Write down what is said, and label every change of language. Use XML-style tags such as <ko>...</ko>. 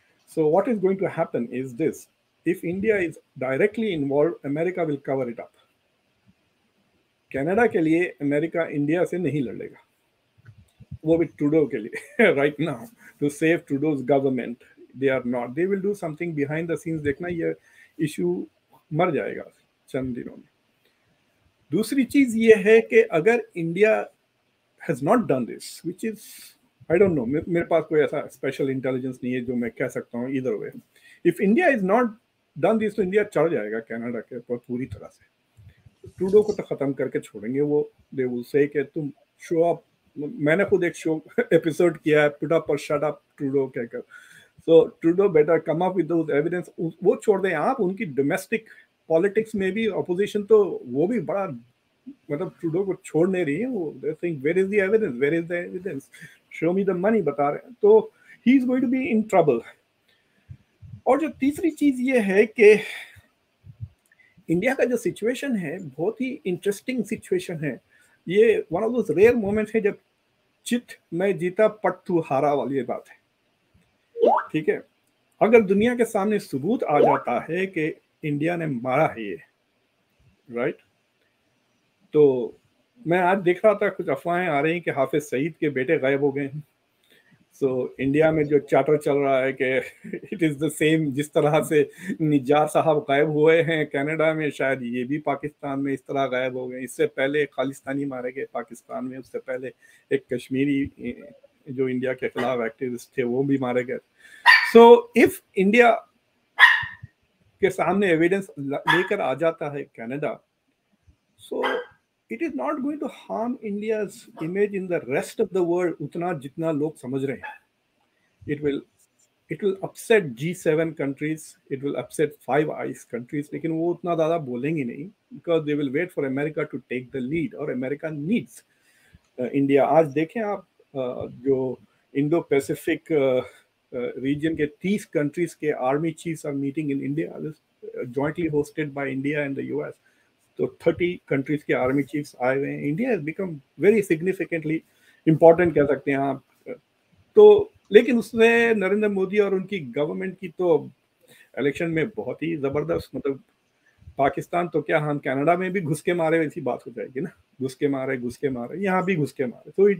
<en>So what is going to happen is this, if India is directly involved America will cover it up.</en> <ur>Canada کے لیے America India سے نہیں لڑے گا, وہ بھی ٹروڈو کے لیے</ur> <en>Right now to save Trudeau's government. They are not, they will do something behind the scenes.</en> <ur>دیکھنا یہ ایشو مر جائے گا چند دنوں میں. دوسری چیز یہ ہے کہ اگر India</ur> <en>has not done this, which is, I don't know,</en> <ur>میرے پاس کوئی ایسا اسپیشل انٹیلیجنس نہیں ہے جو میں کہہ سکتا ہوں ایدھر وے.</ur> <en>if India is not done this</en> <ur>تو انڈیا چڑھ جائے گا کینیڈا کے اوپر پوری طرح سے. ٹروڈو کو تو ختم کر کے چھوڑیں گے وہ,</ur> <en>they will say</en> <ur>کہ تم شو اپ. میں نے خود ایک شو ایپیسوڈ کیا ہے پٹ اپ اور شٹ اپ ٹروڈو کہہ کر.</ur> <en>So Trudeau better come up with those evidence.</en> <ur>وہ چھوڑ دیں آپ ان کی ڈومیسٹک پالیٹکس میں بھی اپوزیشن, تو وہ بھی بڑا مطلب ٹروڈو کو چھوڑ نہیں رہی ہے.</ur> <en>وہ they think where is the evidence, where is the evidence, show me the money,</en> <ur>بتا رہے ہیں.</ur> <en>تو he is going to be in trouble.</en> <ur>اور جو تیسری چیز یہ ہے کہ انڈیا کا جو سچویشن ہے بہت ہی انٹرسٹنگ سچویشن ہے. یہ</ur> <en>one of those rare moments</en> <ur>ہے جب چت میں جیتا پٹ تو ہارا والی بات ہے. ٹھیک ہے, اگر دنیا کے سامنے ثبوت آ جاتا ہے کہ انڈیا نے مارا ہے یہ, رائٹ, تو میں آج دیکھ رہا تھا کچھ افواہیں آ رہی ہیں کہ حافظ سعید کے بیٹے غائب ہو گئے ہیں. سو انڈیا میں جو چارٹر چل رہا ہے کہ</ur> <en>it is the same</en> <ur>جس طرح سے نجار صاحب غائب ہوئے ہیں کینیڈا میں, شاید یہ بھی پاکستان میں اس طرح غائب ہو گئے. اس سے پہلے خالصتانی مارے گئے پاکستان میں, اس سے پہلے ایک کشمیری جو انڈیا کے خلاف ایکٹیوسٹ تھے وہ بھی مارے گئے. سو اف انڈیا کے سامنے ایویڈنس لے کر آ جاتا ہے Canada, so</ur> <en>it is not going to harm India's image in the rest of the world</en> <ur>utna jitna log samajh rahe hain.</ur> <en>it will upset G7 countries, it will upset five eyes countries,</en> <ur>lekin wo utna zyada bolenge nahi</ur> <en>because they will wait for America to take the lead, or America needs India.</en> <ur>aaj dekhen aap jo</ur> <en>indo pacific region ke 30 countries ke army chiefs are meeting in India, jointly hosted by India and the US.</en> <ur>تو 30 countries کے army chiefs آئے ہوئے ہیں.</ur> <en>India has become very significantly important</en> <ur>کہہ سکتے ہیں آپ. تو لیکن اس نے نریندر مودی اور ان کی گورنمنٹ کی تو الیکشن میں بہت ہی زبردست, مطلب پاکستان تو کیا ہم کینیڈا میں بھی گھس کے مارے ویسی بات ہو جائے گی نا, گھس کے مارے یہاں بھی گھس کے مارے.</ur>